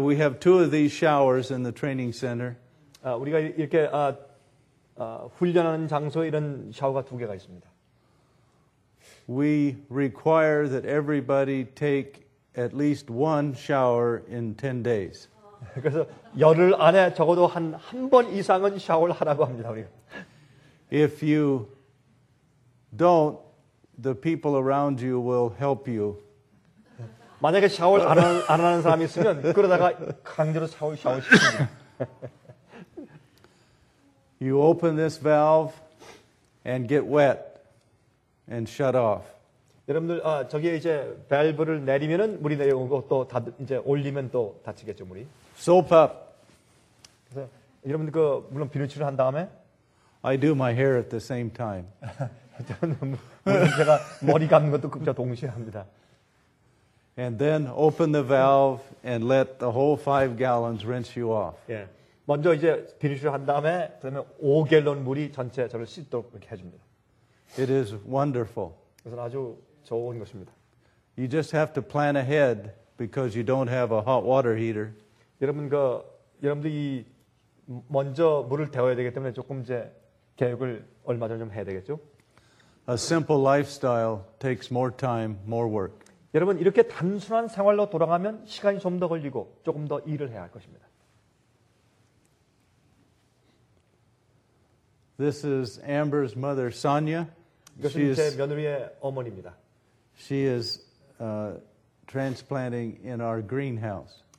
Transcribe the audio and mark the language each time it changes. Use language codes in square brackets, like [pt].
[en] We have two of these showers in the training center. [ko] 우리가 이렇게 훈련하는 장소 이런 샤워가 두 개가 있습니다. [en] We require that everybody take at least one shower in 10 days. [ko] 그래서 열흘 안에 적어도 한 번 이상은 샤워를 하라고 합니다, 우리가. [en] If you don't, the people around you will help you. [ko] 만약에 샤워를 안 하는 사람이 있으면 그러다가 강제로 샤워 시킵니다. [en] You open this valve and get wet and shut off. [ko] 여러분들 저기 이제 밸브를 내리면은 물이 내려오고 또 이제 올리면 또 닫히겠죠 물이. [en] Soap up. [ko] 그래서 여러분들 그 물론 비누칠을 한 다음에. [en] I do my hair at the same time. [ko] 저는 제가 머리 감는 것도 급자 동시에 합니다. [en] And then open the valve and let the whole 5 gallons rinse you off. [ko] 예. 먼저 이제 비누칠을 한 다음에 그러면 5갤런 물이 전체 저를 씻도록 이렇게 해줍니다. [en] It is wonderful. [ko] 그래서 아주 좋은 것입니다. [en] You just have to plan ahead because you don't have a hot water heater. [ko] 여러분 그 여러분들이 먼저 물을 데워야 되기 때문에 조금 이제 계획을 얼마 전 좀 해야 되겠죠? [en] A simple lifestyle takes more time, more work. [ko] 여러분 이렇게 단순한 생활로 돌아가면 시간이 좀 더 걸리고 조금 더 일을 해야 할 것입니다. [en] This is Amber's mother, Sonia. [ko] 이것은 제 며느리의 어머니입니다. [en] She is transplanting in our greenhouse.